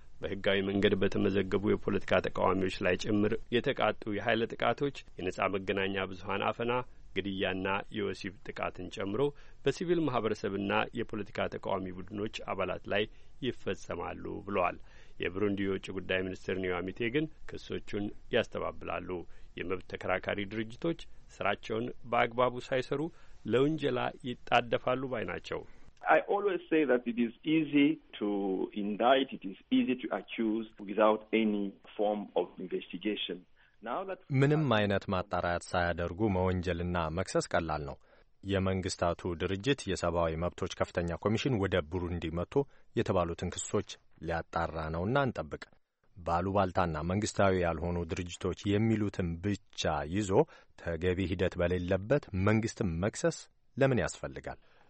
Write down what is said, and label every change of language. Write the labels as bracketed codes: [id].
[am] በህጋዊ መንገድ በተመዘገቡ የፖለቲካ ተቃዋሚዎች ላይ ጭምር የተቃጡ የኃይለ ጥቃቶች፣ የነጻ መገናኛ ብዙሀን አፈና፣ ግድያና የወሲብ ጥቃትን ጨምሮ በሲቪል ማህበረሰብና የፖለቲካ ተቃዋሚ ቡድኖች አባላት ላይ ይፈጸማሉ ብለዋል። የብሩንዲ የውጭ ጉዳይ ሚኒስትር ኒያሚቴ ግን ክሶቹን ያስተባብላሉ። የመብት ተከራካሪ ድርጅቶች ስራቸውን በአግባቡ ሳይሰሩ ለውንጀላ ይጣደፋሉ ባይ ናቸው። [en] I always say that it is easy to indict, it is easy to accuse without any form of investigation. [am] ምንም አይነት ማጣራት ሳያደርጉ መወንጀልና መክሰስ ቀላል ነው። የመንግስታቱ ድርጅት የሰብአዊ መብቶች ከፍተኛ ኮሚሽን ወደ ቡሩንዲ መጥቶ የተባሉትን ክሶች ሊያጣራ ነውና እንጠብቅ። ባሉባልታና መንግስታዊ ያልሆኑ ድርጅቶች የሚሉትን ብቻ ይዞ ተገቢ ሂደት በሌለበት መንግስትን መክሰስ ለምን ያስፈልጋል?